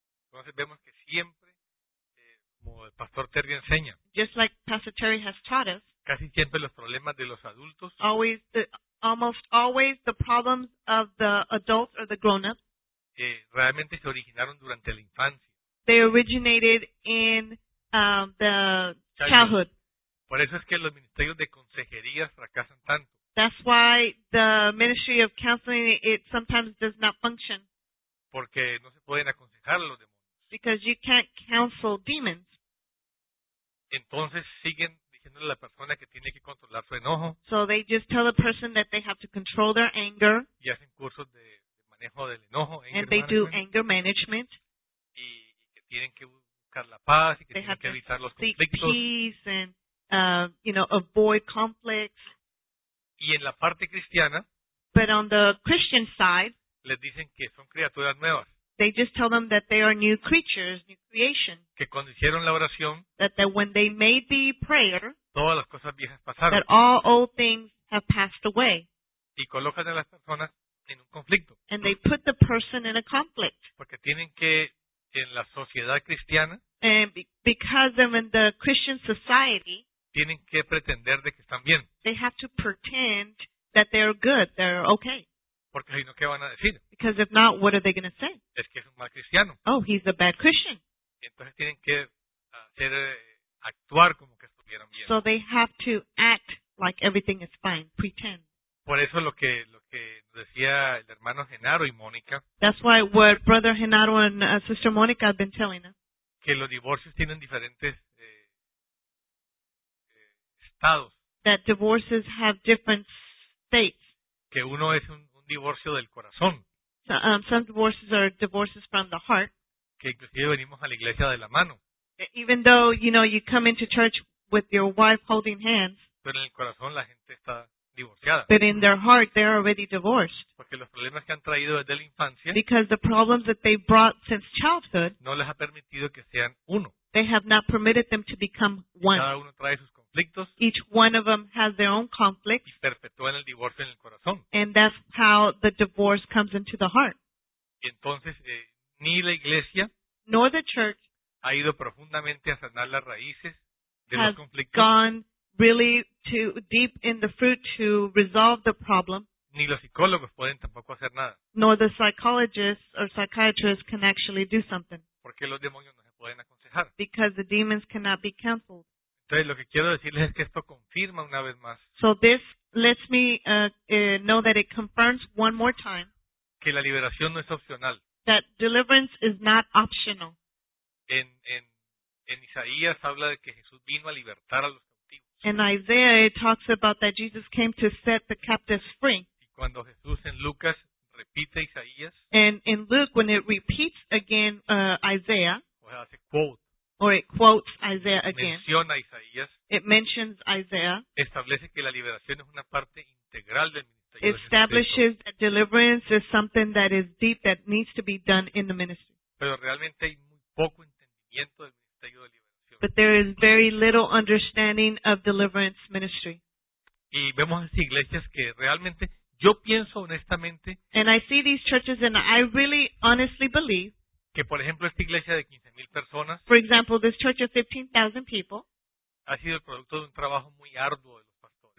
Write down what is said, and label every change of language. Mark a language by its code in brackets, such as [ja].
[es] Entonces vemos que siempre, como el pastor Terry enseña, [en] just like Pastor Terry has taught us, [es] casi siempre los problemas de los adultos, [en] almost always the problems of the adults or the grown-ups, [es] realmente se originaron durante la infancia. [en] They originated in the childhood. [es] Por eso es que los ministerios de consejería fracasan tanto. [en] That's why the ministry of counseling, it sometimes does not function. [es] Porque no se pueden aconsejar a los demonios. [en] Because you can't counsel demons. [es] Entonces siguen diciéndole a la persona que tiene que controlar su enojo. [en] So they just tell the person that they have to control their anger. [es] Y hacen cursos de manejo del enojo. [en] And they do anger management. [es] Y que tienen que buscar la paz y que [en] they [es] tienen que evitar los [en] seek [es] conflictos. [en] They have to seek peace and avoid conflicts. [es] Y en la parte cristiana, [en] but on the Christian side, [es] les dicen que son criaturas nuevas. [en] They just tell them that they are new creatures, new creation. [es] Que cuando hicieron la oración, [en] that when they made the prayer, [es] todas las cosas viejas pasaron. [en] That all old things have passed away. [es] Y colocan a las personas en un conflicto. [en] And they put the person in a conflict. [es] Porque tienen que, en la sociedad cristiana, [en] and because of in the Christian society, [es] tienen que pretender de que están bien. [en] They have to pretend that they're good, they're okay. [es] Porque si no, ¿qué van a decir? [en] Because if not, what are they going to say? [es] Es que es un mal cristiano. [en] Oh, he's a bad Christian. [es] Entonces tienen que hacer, actuar como que estuvieran bien. [en] So they have to act like everything is fine, pretend. [es] Por eso lo que decía el hermano Genaro y Mónica. [en] That's why what Brother Genaro and Sister Mónica have been telling us. [es] Que los divorcios tienen diferentes estados. [en] That divorces have different states. [es] Que uno es un divorcio del corazón. [en] So, some divorces are divorces from the heart. [es] Que inclusive venimos a la iglesia de la mano. [en] Even though, you know, you come into church with your wife holding hands. [es] Pero en el corazón la gente está divorciada. [en] But in their heart, they're already divorced. [es] Porque los problemas que han traído desde la infancia. [en] Because the problems that they brought since childhood. [es] No les ha permitido que sean uno. [en] They have not permitted them to become one. [es] Cada uno trae sus conflictos. [en] Each one of them has their own conflicts. [es] Y perpetúan el divorcio en el corazón. [en] And that's how the divorce comes into the heart. [es] Y entonces, ni la iglesia. [en] Nor the church. [es] Ha ido profundamente a sanar las raíces de los conflictos. [en] Has gone really to deep in the fruit to resolve the problem. [es] Ni los psicólogos pueden tampoco hacer nada. [en] Nor the psychologists or psychiatrists can actually do something. [es] Porque los demonios no se pueden aconsejar. [en] Because the demons cannot be counseled. [es] Entonces, lo que quiero decirles es que esto confirma una vez más. [en] So this lets me know that it confirms one more time. [es] Que la liberación no es opcional. [en] That deliverance is not optional. [es] En Isaías habla de que Jesús vino a libertar a los. [en] In Isaiah, it talks about that Jesus came to set the captives free. [es] Y cuando Jesús en Lucas repite Isaías, [en] and in Luke, when it repeats again Isaiah, [es] pues hace quote, [en] or it quotes Isaiah again, [es] menciona Isaías, [en] it mentions Isaiah, [es] establece que la liberación es una parte integral del ministerio. [en] Establishes that deliverance is something that is deep that needs to be done in the ministry. [es] Pero realmente hay muy poco entendimiento del ministerio de liberación. [en] But there is very little understanding of deliverance ministry. [es] Y vemos iglesias que realmente, yo pienso honestamente, [en] and I see these churches and I really honestly believe [es] que por ejemplo, esta iglesia de 15,000 personas, [en] for example, this church of 15,000 people [es] ha sido el producto de un trabajo muy arduo de los pastores.